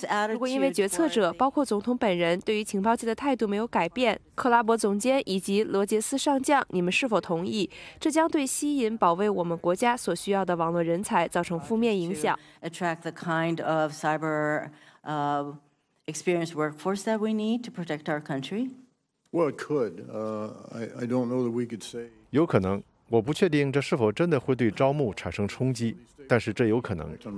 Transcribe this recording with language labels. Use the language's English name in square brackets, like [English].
[Chinese] 如果因为决策者包括总统本人对于情报界的态度没有改变，克拉伯总监以及罗杰斯上将，你们是否同意这将对吸引保卫我们国家所需要的网络人才造成负面影响？ [English] Attract the kind of cyber experienced workforce that we need to protect our country? Well, it could. I don't know that we could say. [Chinese] 有可能，我不确定这是否真的会对招募产生冲击，但是这有可能。